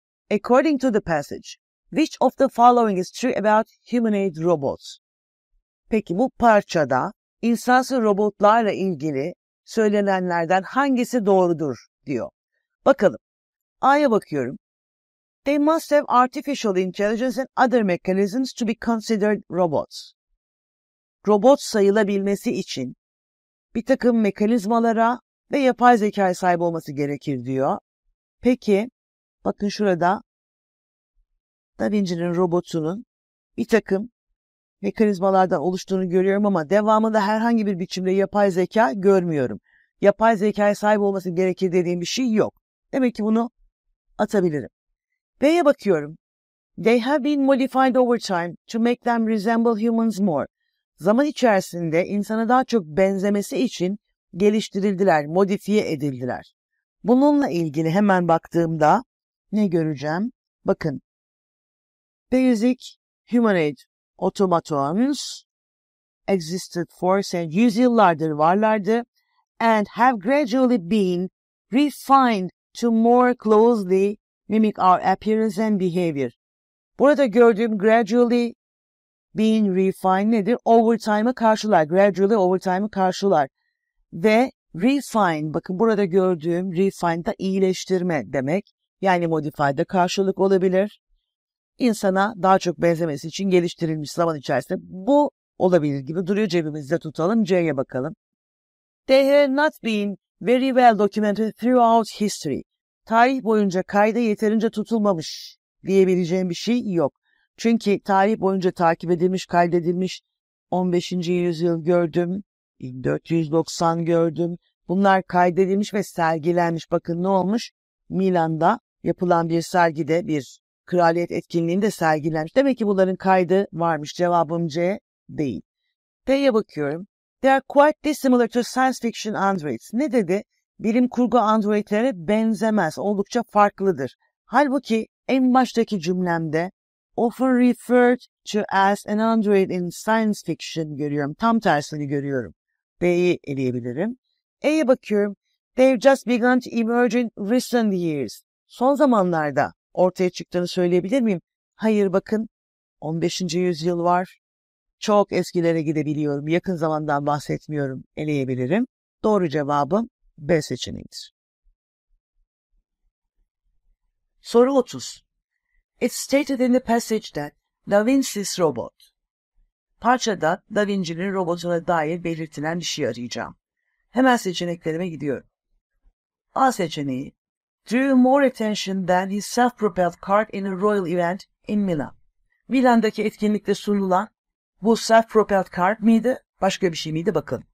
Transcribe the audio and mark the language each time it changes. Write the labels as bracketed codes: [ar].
[en] According to the passage, which of the following is true about humanoid robots? [tr] Peki bu parçada insansı robotlarla ilgili söylenenlerden hangisi doğrudur diyor. Bakalım. A'ya bakıyorum. [en] They must have artificial intelligence and other mechanisms to be considered robots. [tr] Robot sayılabilmesi için bir takım mekanizmalara ve yapay zekaya sahip olması gerekir diyor. Peki, bakın şurada Da Vinci'nin robotunun bir takım mekanizmalardan oluştuğunu görüyorum ama devamında herhangi bir biçimde yapay zeka görmüyorum. Yapay zekaya sahip olması gerekir dediğim bir şey yok. Demek ki bunu atabilirim. B'ye bakıyorum. [en] They have been modified over time to make them resemble humans more. [tr] Zaman içerisinde insana daha çok benzemesi için geliştirildiler, modifiye edildiler. Bununla ilgili hemen baktığımda ne göreceğim? [en] Bakın, basic humanoid automatons existed for [tr] yüzyıllardır varlardı [en] and have gradually been refined to more closely mimic our appearance and behavior. [tr] Burada gördüğüm [en] gradually being refined [tr] nedir? Overtime'ı karşılar. Gradually overtime'ı karşılar. Ve refine, bakın burada gördüğüm refine da iyileştirme demek. Yani modify'da karşılık olabilir. İnsana daha çok benzemesi için geliştirilmiş zaman içerisinde. Bu olabilir gibi duruyor, cebimizde tutalım. C'ye bakalım. [en] They have not been very well documented throughout history. [tr] Tarih boyunca kayda yeterince tutulmamış diyebileceğim bir şey yok. Çünkü tarih boyunca takip edilmiş, kaydedilmiş, 15. yüzyıl gördüm, 1490 gördüm. Bunlar kaydedilmiş ve sergilenmiş. Bakın ne olmuş? Milan'da yapılan bir sergide, bir kraliyet etkinliğinde sergilenmiş. Demek ki bunların kaydı varmış. Cevabım C değil. D'ye bakıyorum. [en] They are quite dissimilar to science fiction androids. [tr] Ne dedi? Bilim kurgu androidlere benzemez. Oldukça farklıdır. Halbuki en baştaki cümlemde [en] often referred to as an android in science fiction [tr] görüyorum. Tam tersini görüyorum. B'yi eleyebilirim. A'ya bakıyorum. [en] They've just begun to emerge in recent years. [tr] Son zamanlarda ortaya çıktığını söyleyebilir miyim? Hayır, bakın. 15. yüzyıl var. Çok eskilere gidebiliyorum. Yakın zamandan bahsetmiyorum. Eleyebilirim. Doğru cevabım B seçeneğidir. Soru 30. [en] It's stated in the passage that Da Vinci's robot. [tr] Parçada Da Vinci'nin robotuna dair belirtilen bir şey arayacağım. Hemen seçeneklerime gidiyorum. A seçeneği [en] drew more attention than his self-propelled cart in a royal event in Milan. [tr] Milan'daki etkinlikte sunulan bu self-propelled cart mıydı? Başka bir şey miydi? Bakın.